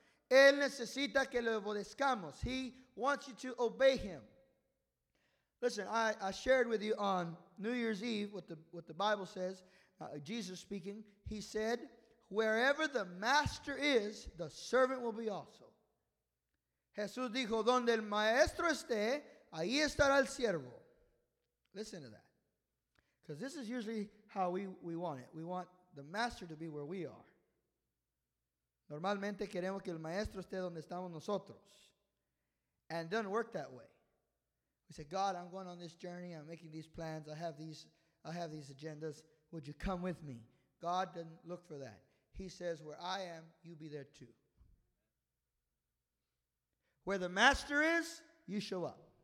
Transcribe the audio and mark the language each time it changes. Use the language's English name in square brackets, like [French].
[Spanish] Él necesita que le obedezcamos. [English] He wants you to obey him. Listen, I shared with you on New Year's Eve what the Bible says, Jesus speaking. He said, wherever the master is, the servant will be also. [Spanish] Jesús dijo, donde el maestro esté, ahí estará el siervo. [English] Listen to that. Because this is usually how we want it. We want the master to be where we are. [Spanish] Normalmente queremos que el maestro esté donde estamos nosotros. [English] And it doesn't work that way. We say, God, I'm going on this journey. I'm making these plans. I have these agendas. Would you come with me? God doesn't look for that. He says, where I am, you be there too. Where the master is, you show up.